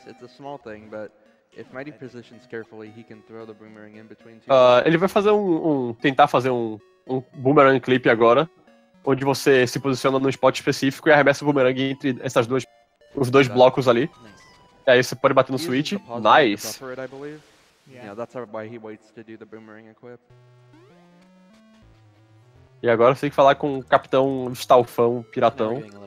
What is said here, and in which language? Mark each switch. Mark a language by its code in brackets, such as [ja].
[en] It's a small thing, but if Mighty positions carefully, he can throw the boomerang in between two. [pt] Ele vai fazer tentar fazer um boomerang clip agora, onde você se posiciona num spot específico e arremessa o boomerang entre essas duas os dois blocos ali. E aí você pode bater no switch. Nice. [en] Yeah, that's why he waits to do the boomerang equip. [pt] E agora você tem que falar com o Capitão Stalfão Piratão.